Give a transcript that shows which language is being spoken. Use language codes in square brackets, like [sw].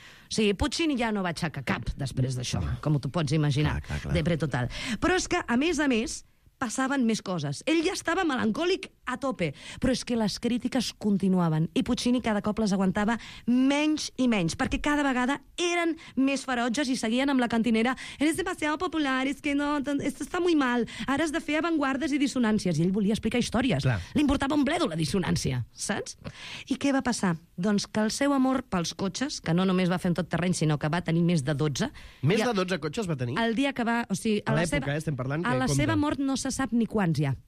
[ca] O sigui, Puccini ja no va aixecar cap després d'això, com t'ho pots imaginar, de pre total. Però és que, a més, passaven més coses. Ell ja estava melancòlic a tope, però és que les crítiques continuaven i Puccini cada cop les aguantava menys i menys, perquè cada vegada eren més ferotges i seguien amb la cantinera. [es] Eres demasiado popular, es que no, esto está muy mal. [ca] Ara has de fer avantguardes i dissonàncies. I ell volia explicar històries. Clar. Li importava un bledo la dissonància, saps? I què va passar? Doncs que el seu amor pels cotxes, que no només va fer en tot terreny, sinó que va tenir més de 12... Més de 12 cotxes va tenir? El dia que va... O sigui, a l'època, estem parlant... A la seva mort no se sap ni quants ja.